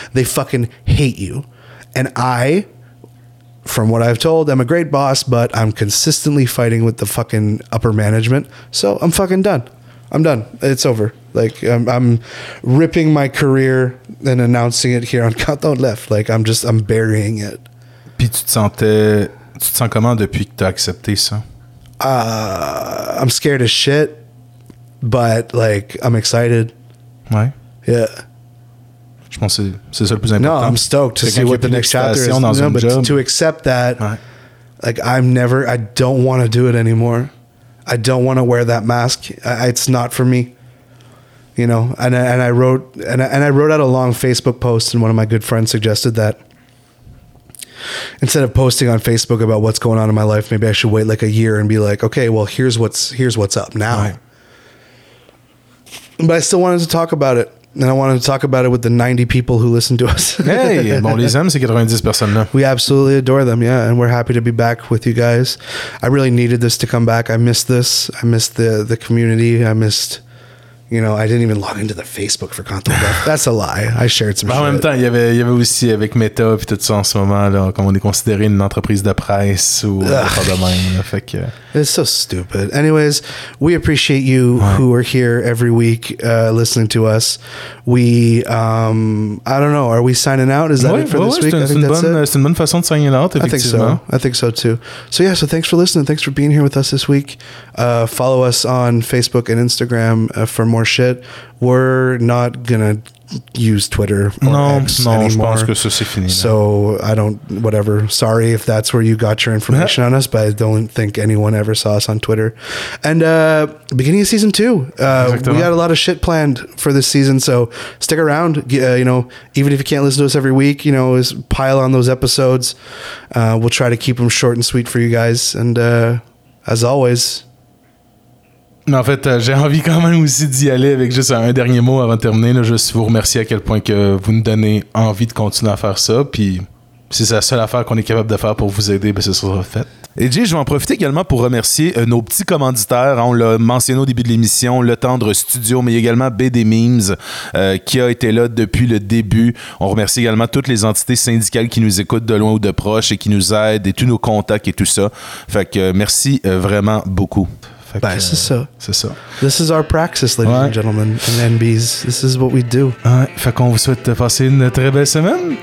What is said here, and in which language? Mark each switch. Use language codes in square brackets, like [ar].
[en] They fucking hate you. And I, from what I've told, I'm a great boss, but I'm consistently fighting with the fucking upper management. So I'm fucking done. I'm done. It's over. Like, I'm ripping my career and announcing it here on Countdown Left. Like, I'm burying it. [fr] Puis tu te sens comment depuis que t'as accepté ça? [en] I'm scared as shit, but, like, I'm excited. [fr] Ouais? [en] Yeah. [fr] Je pense que c'est ça le plus important. [en] No, I'm stoked to see what the next chapter is. [fr] Dans [en] no, [fr] un [en] but job. To accept that, [fr] ouais. [en] Like, I don't want to do it anymore. I don't want to wear that mask. It's not for me, you know. And I wrote out a long Facebook post, and one of my good friends suggested that instead of posting on Facebook about what's going on in my life, maybe I should wait like a year and be like, okay, well, here's what's up now. Right. But I still wanted to talk about it, and I wanted to talk about it with the 90 people who listen to us. [fr] Hey, bon, les aimes, c'est 90 personnes là. [en] We absolutely adore them, yeah, and we're happy to be back with you guys. I really needed this to come back. I missed this. I missed the community. I missed, you know, I didn't even log into the Facebook for Canton. That's a lie. I shared some [fr] en [en] shit. [fr] En même temps, il y avait aussi avec Meta et tout ça en ce moment, là, comme on est considéré une entreprise de presse ou pas de même. Là, fait que... [en] It's so stupid. Anyways, we appreciate you who are here every week listening to us. We, I don't know, are we signing out? Is that it for this week? [fr] C'est une bonne façon de signer l'art, effectivement. [en] I think so too. So yeah, so thanks for listening. Thanks for being here with us this week. Follow us on Facebook and Instagram for more shit. We're not gonna use Twitter anymore. [fr] Non, je pense que ça, c'est fini. [en] So, I don't, whatever. Sorry if that's where you got your information on us, but I don't think anyone ever saw us on Twitter. And beginning of season two. We got a lot of shit planned for this season, so stick around. You know, even if you can't listen to us every week, you know, pile on those episodes. We'll try to keep them short and sweet for you guys. And as always... [fr] Mais en fait, j'ai envie quand même aussi d'y aller avec juste un dernier mot avant de terminer. Là, juste vous remercier à quel point que vous nous donnez envie de continuer à faire ça. Puis si c'est la seule affaire qu'on est capable de faire pour vous aider, ben ce sera fait. Et Jay, je vais en profiter également pour remercier nos petits commanditaires. On l'a mentionné au début de l'émission, Le Tendre Studio, mais également BD Memes, qui a été là depuis le début. On remercie également toutes les entités syndicales qui nous écoutent de loin ou de proche et qui nous aident, et tous nos contacts et tout ça. Fait que merci vraiment beaucoup. Ben, c'est ça. C'est ça. [en] This is our praxis, ladies and gentlemen, and NBs. This is what we do. [fr] Ouais. Fait qu'on vous souhaite de passer une très belle semaine.